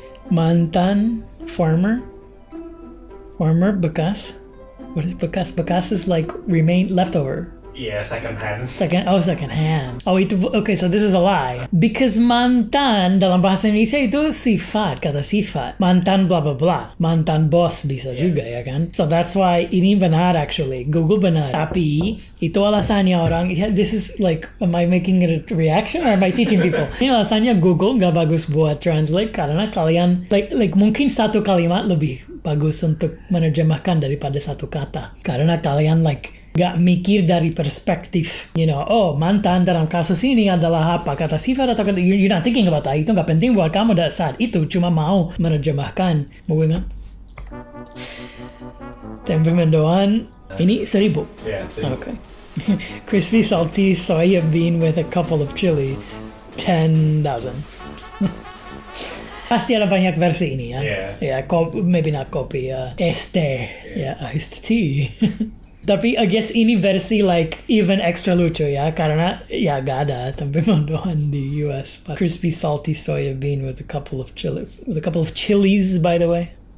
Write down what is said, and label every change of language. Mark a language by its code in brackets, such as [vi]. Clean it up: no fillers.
[en] Mantan, former. Former, bekas. What is bekas? Bekas is like remain, leftover. Yeah, second hand. [id] Oh, itu, okay, [en] so this is a lie. Because [id] mantan dalam bahasa Indonesia itu sifat, kata sifat. Mantan blah blah blah. Mantan bos bisa juga, ya kan? [en] So that's why [id] ini benar actually. Google benar. Tapi itu alasannya orang, [en] this is like, am I making a reaction or am I teaching people? [id] Ini alasannya Google gak bagus buat translate karena kalian, like mungkin satu kalimat lebih bagus untuk menerjemahkan daripada satu kata. Karena kalian like, gak mikir dari perspektif, you know, oh mantan dalam kasus ini adalah apa, kata sifat atau kata, [en] you're not thinking about that, [id] itu gak penting buat kamu dah saat itu, cuma mau menerjemahkan. Mungkin gak? Tempe mendoan, ini 1000. Yeah, [en] okay. Crispy salty soy bean with a couple of chili, 10,000. [id] Pasti ada banyak versi ini ya. Yeah. [en] Yeah, maybe not copy, este, yeah, iced tea. [id] Tapi [en] I guess [id] ini versi like even extra lucu ya, karena ya gak ada tempe mendoan di US. [en] But crispy salty soya bean with a couple of chili, with a couple of chilies, by the way.